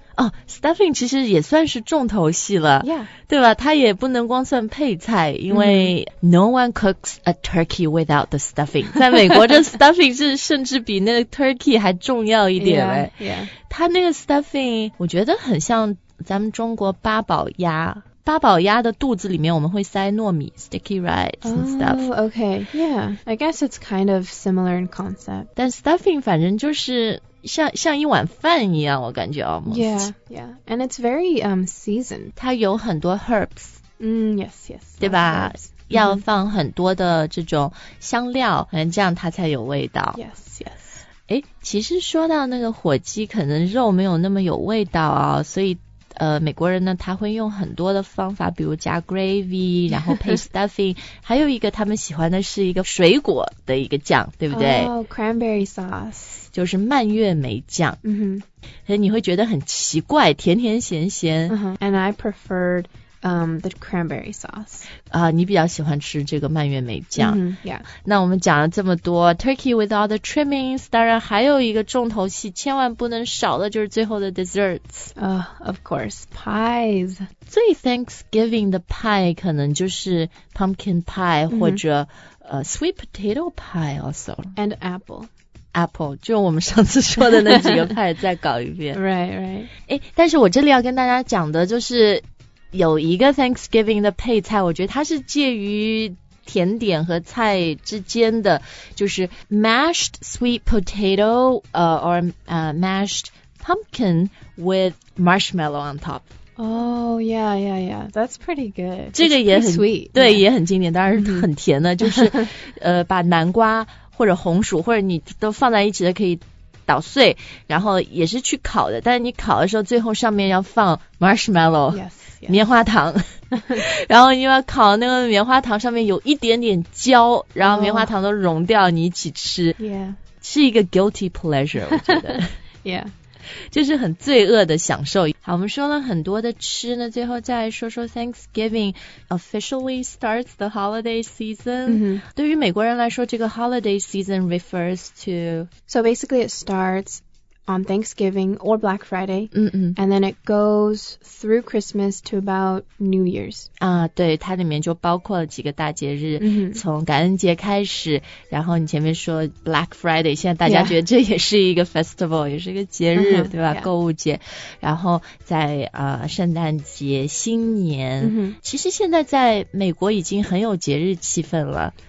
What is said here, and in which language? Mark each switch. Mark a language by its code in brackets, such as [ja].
[zh] 哦、stuffing 其实也算是重头戏了、 [en] yeah. [zh] 对吧它也不能光算配菜因为、mm-hmm. [en] No one cooks a turkey without the stuffing [zh] 在美国这 stuffing 是甚至比那个 turkey 还重要一点 [en] yeah, yeah. [zh] 它那个 stuffing 我觉得很像咱们中国八宝鸭八宝鸭的肚子里面我们会塞糯米 [en] sticky rice and stuff、 oh, okay yeah I guess it's kind of similar in concept [zh] 但 stuffing 反正就是像一碗饭一样我感觉 almost [en] yeah yeah and it's very seasoned [zh] 它有很多 herbs [en] yes yes [zh] 对吧要放很多的这种香料、mm-hmm. 这样它才有味道 [en] yes yes [zh] 诶其实说到那个火鸡可能肉没有那么有味道啊所以美国人呢他会用很多的方法比如加 gravy 然后配 stuffing 还有一个他们喜欢的是一个水果的一个酱对不对、 [en] oh, cranberry sauce [zh] 就是蔓越莓酱、 mm-hmm. 所以你会觉得很奇怪甜甜咸咸、 uh-huh. [en] and I preferred the cranberry sauce [zh] 啊、你比较喜欢吃这个蔓越莓酱、 [en] mm-hmm. yeah. [zh] 那我们讲了这么多 [en] turkey with all the trimmings [zh] 当然还有一个重头戏千万不能少的就是最后的 desserts、 [en] of course pies [zh] 最 Thanksgiving 的 pie 可能就是 pumpkin pie、mm-hmm. [en] 或者、sweet potato pie also and apple [zh] 就我们上次说的那几个 pie 再搞一遍 [en] right [zh] 诶但是我这里要跟大家讲的就是有一个 Thanksgiving 的配菜我觉得它是介于甜点和菜之间的就是 [en] mashed sweet potato or mashed pumpkin with marshmallow on top oh yeah yeah yeah that's pretty good [zh] 这个也很 [en] sweet [zh] 对、 [en] yeah. [zh] 也很经典当然很甜的、mm-hmm. 就是把南瓜或者红薯或者你都放在一起的可以捣碎然后也是去烤的但是你烤的时候最后上面要放 marshmallow [en] yes [zh] 棉花糖然后你要烤那个棉花糖上面有一点点焦然后棉花糖都融掉、oh. 你一起吃、 [en] yeah. [zh] 是一个 [en] guilty pleasure [zh] 我觉得 [en] yeah [zh] 就是很罪恶的享受好我们说了很多的吃呢最后再来说说 [en] Thanksgiving officially starts the holiday season、 mm-hmm. [zh] 对于美国人来说这个 [en] holiday season refers to so basically it startsOn Thanksgiving or Black Friday,、 mm-hmm. and then it goes through Christmas to about New Year's. [zh] 啊、对，它里面就包括了几个大节日， mm-hmm. 从感恩节开始，然后你前面说 Black Friday, 现在大家觉得这也是一个 festival,、 [en] yeah. [zh] 也是一个节日，对吧？ [en] Yeah. [zh] 购物节，然后在圣诞节、新年， mm-hmm. 其实现在在美国已经很有节日气氛了。